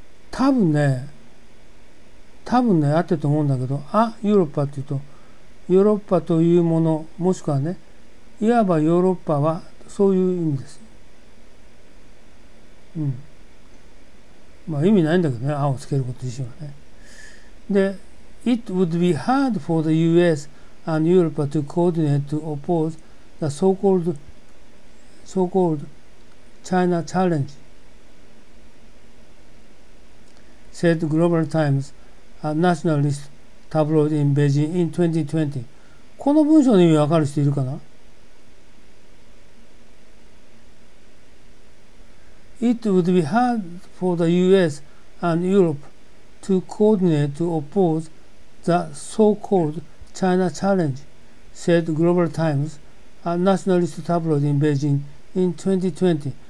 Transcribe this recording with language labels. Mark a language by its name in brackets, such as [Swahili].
[Japanese] 多分ね、多分ね、あってと思うんだけど、アーユーロッパって言うと、ヨーロッパというもの、もしくはね、いわばヨーロッパは、そういう意味です。うん。まあ意味ないんだけどね、青をつけること自身はね。 [English] で、It would be hard for the US and Europe to coordinate to oppose the so-called China Challenge, said Global Times, a nationalist tabloid in Beijing in 2020. [Japanese] この文章の意味わかる人いるかな？ [English] It would be hard for the US and Europe to coordinate to oppose the so-called China Challenge, said Global Times, a nationalist tabloid in Beijing in 2020.